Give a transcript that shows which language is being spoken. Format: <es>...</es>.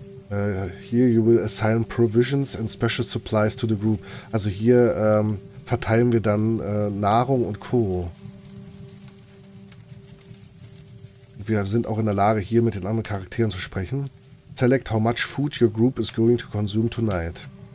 <en>Here you will assign provisions and special supplies to the group.</en> <de>Also hier verteilen wir dann Nahrung und Co. Wir sind auch in der Lage, hier mit den anderen Charakteren zu sprechen.</de> <en>Select how much food your group is going to consume tonight.</en>